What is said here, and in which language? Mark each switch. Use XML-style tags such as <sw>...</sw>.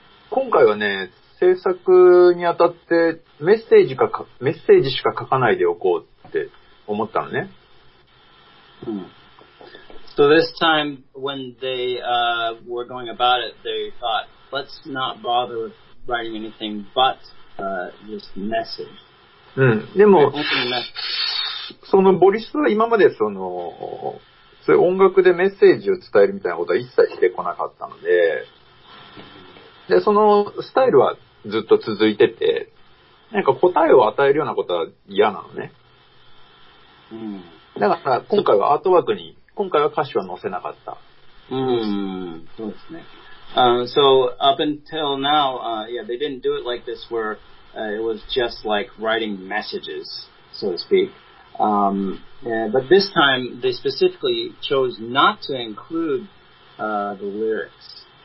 <ja>今回はね、制作にあたってメッセージしか書かないでおこうって思ったのね。うん。</ja> <en>So this time when they were going about it, they thought, let's not bother writing anything but just message.</en> <ja>うん。でも、そのボリスは今までその、それ音楽でメッセージを伝えるみたいなことは一切してこなかったので、で、そのスタイルはずっと続いてて、なんか答えを与えるようなことは嫌なのね。うん。だから今回はアートワークに、今回は歌詞は載せなかった。そうですね。</ja> <en>So, up until now, yeah, they didn't do it like this where it was just like writing messages, so to speak. But this time they specifically chose not to include the lyrics.</en>